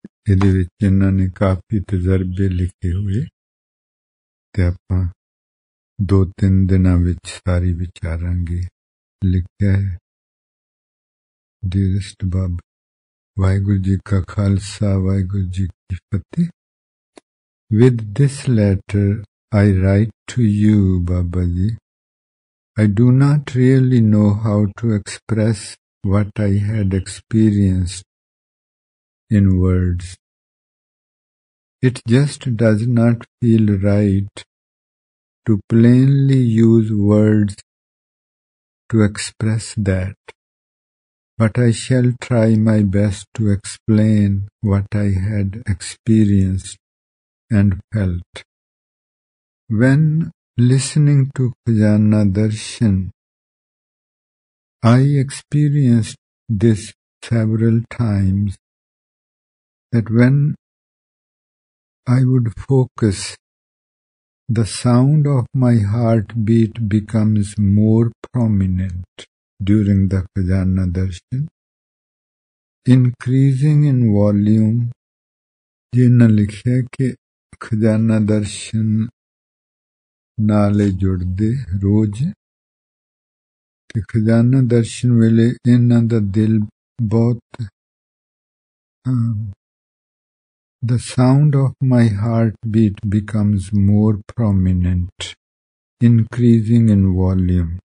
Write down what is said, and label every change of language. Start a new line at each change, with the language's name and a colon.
Punjabi: ਇਹਦੇ ਵਿੱਚ ਇਹਨਾਂ ਨੇ ਕਾਫੀ ਤਜ਼ਰਬੇ ਲਿਖੇ ਹੋਏ ਅਤੇ ਆਪਾਂ ਦੋ ਤਿੰਨ ਦਿਨਾਂ ਵਿੱਚ ਸਾਰੀ ਵਿਚਾਰਾਂਗੇ. ਲਿਖਿਆ ਹੈ,
English: dearest
Punjabi: ਬਾਬ, ਵਾਹਿਗੁਰੂ ਜੀ ਕਾ ਖਾਲਸਾ, ਵਾਹਿਗੁਰੂ ਜੀ ਕੀ ਫਤਿਹ.
English: With this letter I write to you, Baba Ji. I do not really know how to express what I had experienced in words. It just does not feel right to plainly use words to express that. But I shall try my best to explain what I had experienced and felt. When listening to Khajana Darshan, I experienced this several times, that when I would focus, the sound of my heartbeat becomes more prominent during the Khajana Darshan, increasing in volume.
Punjabi: Jina likhe ke ਖਜ਼ਾਨਾ ਦਰਸ਼ਨ ਨਾਲ ਜੁੜਦੇ ਰੋਜ਼ ਅਤੇ ਖਜ਼ਾਨਾ ਦਰਸ਼ਨ ਵੇਲੇ ਇਹਨਾਂ ਦਾ ਦਿਲ ਬਹੁਤ
English: The sound of my heart beat becomes more prominent increasing in volume.